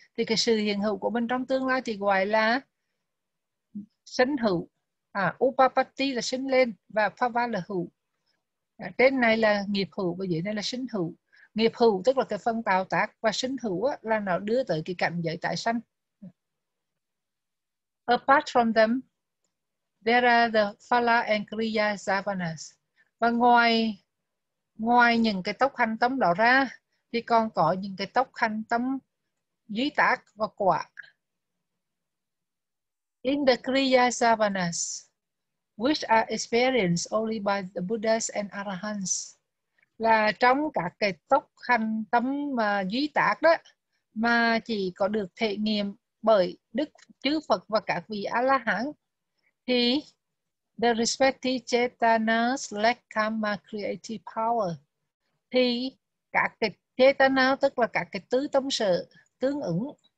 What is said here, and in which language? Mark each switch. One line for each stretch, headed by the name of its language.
Vietnamese: Thì cái sự hiện hữu của mình trong tương lai thì gọi là sinh hữu. À, upapatti là sinh lên và phava là hữu. À, trên này là nghiệp hữu và dưới này là sinh hữu. Nghiệp hữu tức là cái phần tạo tác và sinh hữu là nó đưa tới cái cảnh giới tái sanh.
English: Apart from them, there are the phala and kriya javanas.
Vietnamese: Và ngoài những cái tốc hành tâm đó ra, thì còn có những cái tốc hành tâm dưới tác và quả.
English: In the kriya javanas, which are experienced only by the Buddhas and Arahants,
Vietnamese: là trong cả cái tốc hành tâm mà dưới tác đó, mà chỉ có được thể nghiệm bởi Đức Chư Phật và các vị A-la-hán, thì
English: the respective chetanas lack karma creative power,
Vietnamese: thì các cái chetana tức là các cái tứ tâm sở tương ứng